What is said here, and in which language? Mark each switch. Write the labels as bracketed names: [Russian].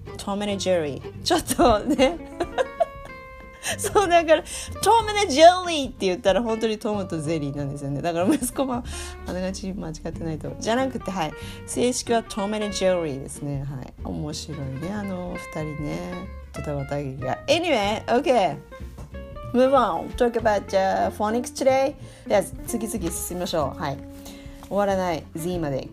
[Japanese] トムとジェリー、ちょっとねそうだからトムとジェリーって言ったら本当にトムとゼリーなんですよね。だから息子もあながち間違ってないと、じゃなくて、はい、正式はトムとジェリーですね、はい、面白いねあの2人ね、ドタバタ劇が。 [English] Anyway, OK Move on, talk about the phonics today. [Japanese] では次々進みましょう、はい、終わらない Z まで。